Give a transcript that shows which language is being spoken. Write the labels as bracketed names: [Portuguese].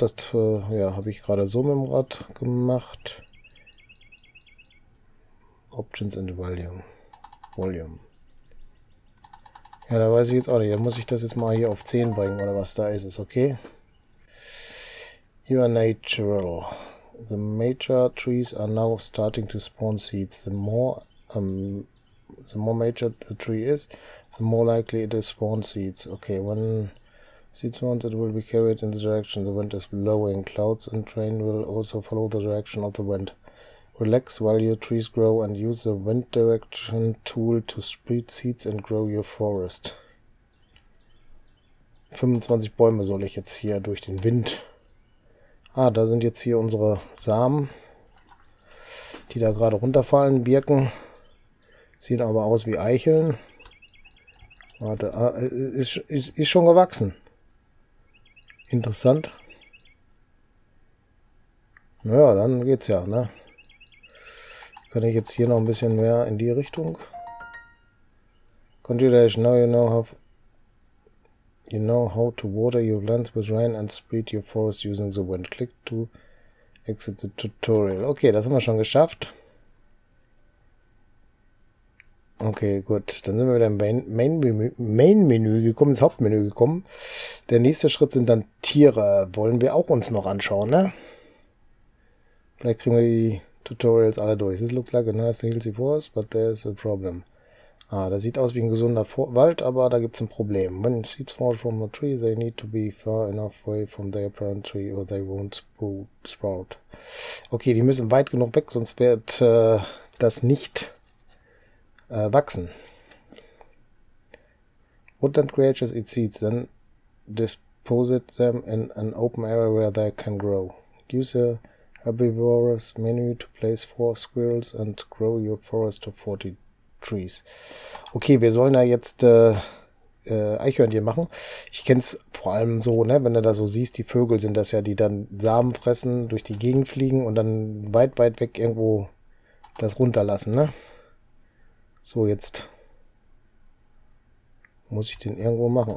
[German] Das, habe ich gerade so mit dem Rad gemacht. Options and Volume. Volume. Ja, da weiß ich jetzt auch nicht. Dann muss ich das jetzt mal hier auf 10 bringen oder was. Da ist es, okay? [English] You are natural. The major trees are now starting to spawn seeds. The more major a tree is, the more likely it is spawn seeds. Okay, when seeds spawn, it will be carried in the direction the wind is blowing. Clouds and rain will also follow the direction of the wind. Relax while your trees grow and use the wind direction tool to spread seeds and grow your forest. [German] 25 Bäume soll ich jetzt hier durch den Wind. Ah, da sind jetzt hier unsere Samen, die da gerade runterfallen, Birken. Sehen aber aus wie Eicheln. Warte, ist schon gewachsen. Interessant. Naja, dann geht's ja, ne? Kann ich jetzt hier noch ein bisschen mehr in die Richtung? [English] Congratulations, now you know how to water your plants with rain and spread your forest using the wind. [German] Click to exit the tutorial. Okay, das haben wir schon geschafft. Okay, gut. Dann sind wir wieder im Hauptmenü gekommen. Der nächste Schritt sind dann Tiere. Wollen wir auch uns noch anschauen, ne? Vielleicht kriegen wir die Tutorials alle durch. [English] This looks like a nice and healthy forest, but there is a problem. [German] Ah, das sieht aus wie ein gesunder Wald, aber da gibt es ein Problem. [English] When seeds fall from a tree, they need to be far enough away from their parent tree or they won't sprout. [German] Okay, die müssen weit genug weg, sonst wird das nicht wachsen. [English] Woodland creatures eat seeds, then deposit them in an open area where they can grow. Use a herbivorous menu to place 4 squirrels and grow your forest to 40 trees. [German] Okay, wir sollen da jetzt Eichhörnchen machen. Ich kenne es vor allem so, ne, wenn du da so siehst, die Vögel sind das ja, die dann Samen fressen, durch die Gegend fliegen und dann weit, weit weg irgendwo das runterlassen. Ne? So, jetzt muss ich den irgendwo machen.